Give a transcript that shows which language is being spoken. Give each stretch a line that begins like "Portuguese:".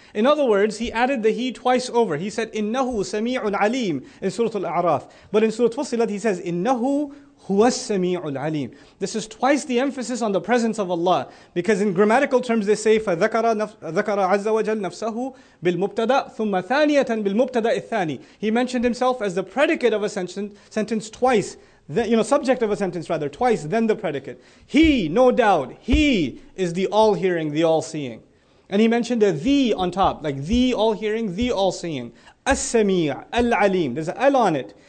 English: In other words, he added the he twice over. He said,
Arabic: إِنَّهُ سَمِيعُ الْعَلِيمُ
English: in Surah Al-A'raf. But in Surah Fussilat, he says,
Arabic: إِنَّهُ هُوَ السَّمِيعُ الْعَلِيمُ.
English: This is twice the emphasis on the presence of Allah. Because in grammatical terms they say,
Arabic: فَذَكَرَ عَزَّ وَجَلْ نَفْسَهُ بِالْمُبْتَدَأ ثُمَّ ثَانِيَةً بِالْمُبْتَدَأِ الثَّانِي.
English: He mentioned himself as the predicate of a sentence twice. Subject of a sentence rather, twice, then the predicate. He, no doubt, he is the all-hearing, the all-seeing. And he mentioned a the on top, like the all-hearing, the all-seeing.
Arabic: السَّمِيعُ الْعَلِيمُ.
English: There's an al on it.